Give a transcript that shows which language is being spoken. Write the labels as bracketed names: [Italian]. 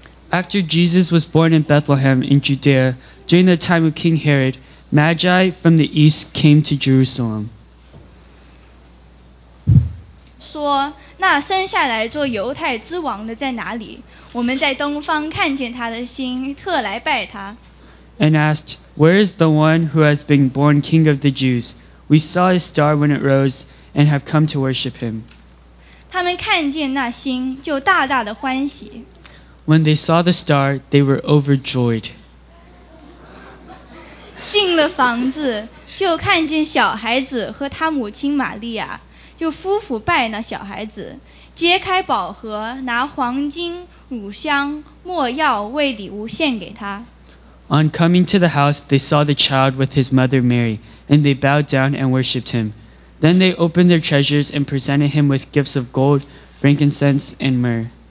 [English] After Jesus was born in Bethlehem in Judea, during the time of King Herod, Magi from the east came to Jerusalem. [Chinese] 说，那生下来做犹太之王的在哪里？我们在东方看见他的心，特来拜他。 [English] And asked, Where is the one who has been born king of the Jews? We saw his star when it rose and have come to worship him. [Chinese] 他们看见那星，就大大的欢喜。 [English] When they saw the star, they were overjoyed. [Chinese] 进了房子，就看见小孩子和他母亲玛利亚，就夫妇拜那小孩子，揭开宝盒，拿黄金、乳香、没药为礼物献给他。 [English] On coming to the house, they saw the child with his mother Mary, and they bowed down and worshipped him. Then they opened their treasures and presented him with gifts of gold, frankincense, and myrrh.